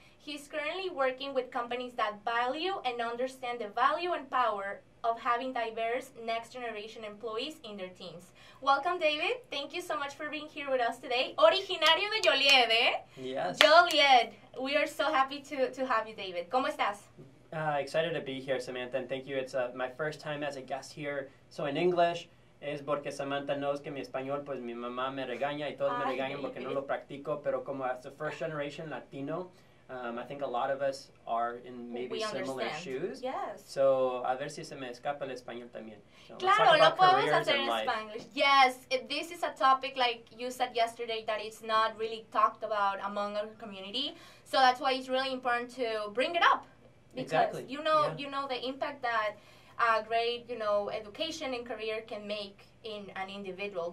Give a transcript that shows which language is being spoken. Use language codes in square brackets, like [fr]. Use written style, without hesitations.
[en] He's currently working with companies that value and understand the value and power of having diverse next-generation employees in their teams. Welcome, David. Thank you so much for being here with us today. [es] Originario de Joliet, eh? [en] Yes. Joliet. We are so happy to have you, David. [es] ¿Cómo estás? [en] Excited to be here, Samantha, and thank you. It's my first time as a guest here. So in English, [es] es porque Samantha knows que mi español, pues mi mamá me regaña y todos me regañan David. Porque no lo practico. Pero como [en] as a first-generation Latino, I think a lot of us are in maybe similar shoes. Yes. [es] So, a ver si se me escapa el español también. [en] So, [es] claro, lo podemos hacer en Spanish. [en] Yes, this is a topic, like you said yesterday, that it's not really talked about among our community. So, that's why it's really important to bring it up. Because exactly. You know the impact that a great, you know, education and career can make in an individual.